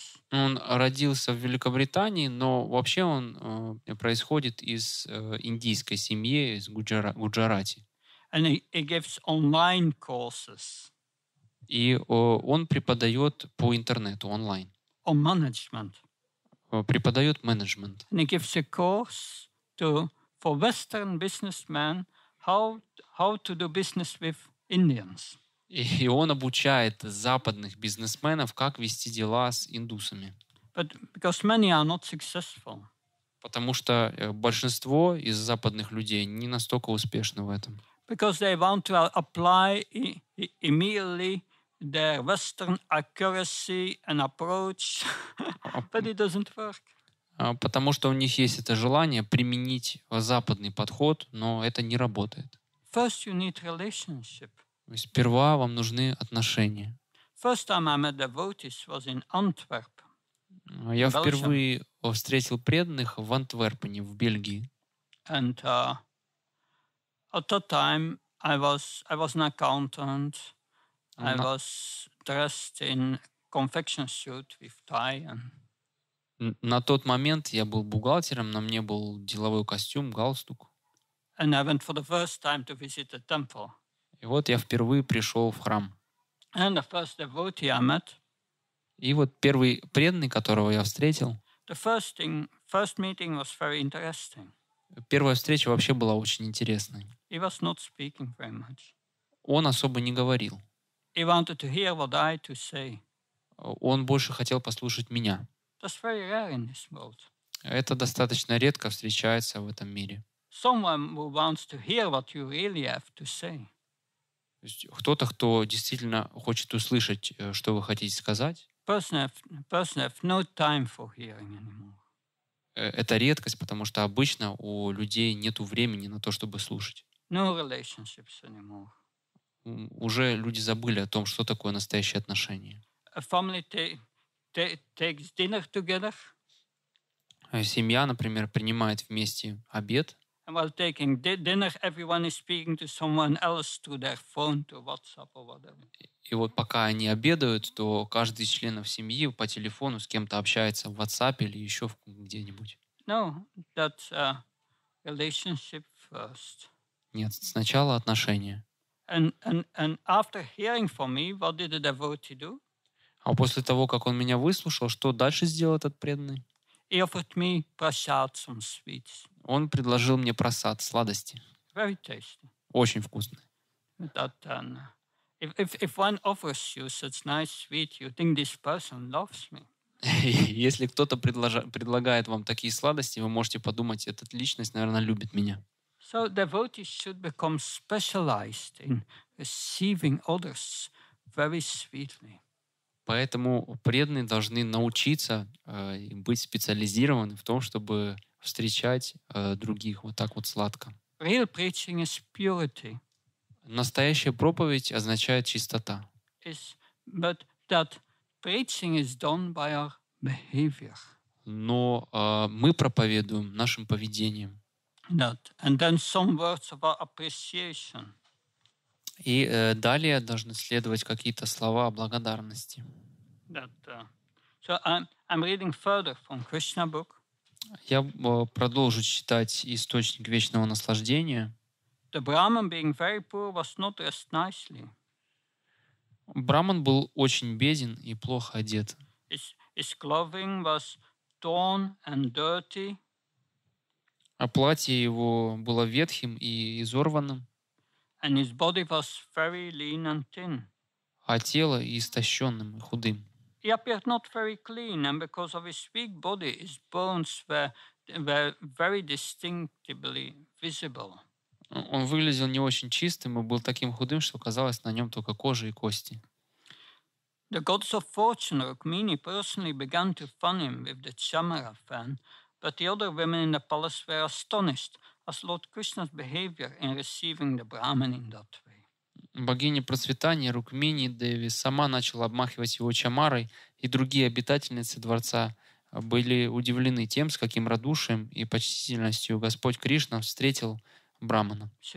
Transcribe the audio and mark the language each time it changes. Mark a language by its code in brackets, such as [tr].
[ru] Он родился в Великобритании, но вообще он происходит из индийской семьи, из Гуджарати. [en] And he gives online courses. [ru] И он преподает по интернету онлайн. [en] On management. [ru] Преподает менеджмент. [en] And he gives a course for Western businessmen how to do business with Indians. [ru] И он обучает западных бизнесменов, как вести дела с индусами. [en] But because many are not successful. [ru] Потому что большинство из западных людей не настолько успешны в этом. [en] Because they want to apply immediately their Western accuracy and approach, but it doesn't work. [ru] Потому что у них есть это желание применить западный подход, но это не работает. [en] First you need relationship. [ru] Сперва вам нужны отношения. [en] First time I met devotees was in Antwerp. [ru] Я впервые встретил преданных в Антверпене, в Бельгии. [en] And at that time I was an accountant. I was dressed in confection suit with tie. And... [ru] На тот момент я был бухгалтером, на мне был деловой костюм, галстук. [en] And I went for the first time to visit a temple. [ru] И вот я впервые пришел в храм. [en] And the first devotee I met. [ru] И вот первый преданный, которого я встретил. [en] The first meeting was very interesting. [ru] Первая встреча вообще была очень интересной. [en] He was not speaking very much. [ru] Он особо не говорил. [en] He wanted to hear what I had to say. [ru] Он больше хотел послушать меня. [en] That's very rare in this world. [ru] Это достаточно редко встречается в этом мире. [en] Someone who wants to hear what you really have to say. [ru] То есть кто-то, кто действительно хочет услышать, что вы хотите сказать. [en] Person have no time for hearing anymore. [ru] Это редкость, потому что обычно у людей нету времени на то, чтобы слушать. [en] No relationships anymore. [ru] Уже люди забыли о том, что такое настоящие отношения. [en] A family takes dinner together. [ru] Семья, например, принимает вместе обед. [en] while taking dinner, everyone is speaking to someone else through their phone, to WhatsApp or whatever. [ru] И вот пока они обедают, то каждый из членов семьи по телефону с кем-то общается в WhatsApp или еще где-нибудь. [en] No, that's a relationship first. [ru] Нет, сначала отношения. [en] And after hearing from me, what did the devotee do? [ru] А после того, как он меня выслушал, что дальше сделал этот преданный? [en] He offered me prasad, some sweets. [ru] Он предложил мне прасад, сладости. [en] Very tasty. [ru] Очень вкусно. [en] That, if one offers you such nice sweet, you think this person loves me. [ru] Если кто-то предлагает вам такие сладости, вы можете подумать, эта личность, наверное, любит меня. [en] So devotees should become specialized in receiving others very sweetly. [ru] Поэтому преданные должны научиться быть специализированы в том, чтобы встречать других вот так вот сладко. [en] Real preaching is purity. [ru] Настоящая проповедь означает чистота. [en] But that preaching is done by our behavior. [ru] Но мы проповедуем нашим поведением. [en] That. And then some words of our appreciation. [ru] И далее должны следовать какие-то слова о благодарности. [en] So I'm reading further from Krishna book. [ru] Я продолжу читать источник вечного наслаждения. [en] The Brahman, being very poor, was not dressed nicely. [ru] Браман был очень беден и плохо одет. [en] His clothing was torn and dirty. [ru] А платье его было ветхим и изорванным. [en] And his body was very lean and thin. [ru] А тело истощенным и худым. [en] He appeared not very clean, and because of his weak body, his bones were very distinctly visible. [ru] Он выглядел не очень чистым и был таким худым, что казалось, на нем только кожа и кости. [en] The goddess of fortune, Rukmini, personally began to fan him with the chamara fan, but the other women in the palace were astonished as Lord Krishna's behavior in receiving the Brahman in that way. [ru] Богиня процветания Рукмини Деви сама начала обмахивать его чамарой, и другие обитательницы дворца были удивлены тем, с каким радушием и почтительностью Господь Кришна встретил брахмана.